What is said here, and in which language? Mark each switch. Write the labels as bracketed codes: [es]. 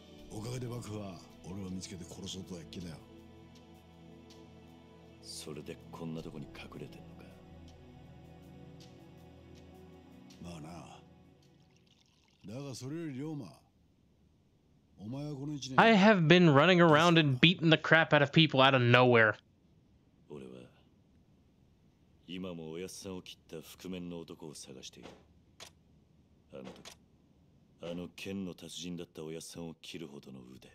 [ja] おかげで幕府は俺を見つけて殺そうとは言ってたよ。それでこんなとこに隠れてんのか。まあな。だがそれより龍馬、お前はこの一年。 [en] I have been running around and beating the crap out of people out of nowhere. [ja] 俺は今もおやっさんを切った覆面の男を探している。あの時、あの剣の達人だったおやっさんを切るほどの腕。